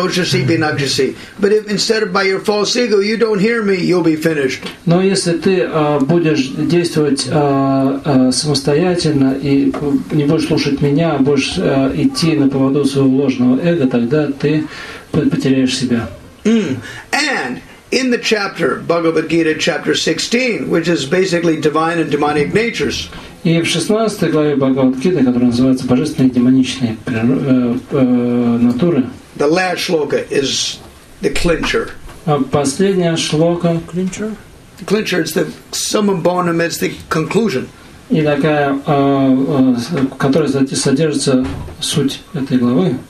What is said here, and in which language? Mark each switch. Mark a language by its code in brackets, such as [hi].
[en] But if instead of by your false ego, you don't hear me, you'll be finished. [ru] Но если ты будешь действовать самостоятельно и не будешь слушать меня, а будешь идти на поводу своего ложного эго, тогда ты потеряешь себя. [en] And in the chapter, Bhagavad Gita, chapter 16, which is basically divine and demonic natures. [ru] И в 16 главе Бхагавад-гиты, которая называется «Божественные и демоничные натуры», [en] the last shloka is the clincher. [ru] Последняя шлока [en] clincher? The clincher is the summum bonum, it's the conclusion. [ru] И такая, которая содержится суть этой главы.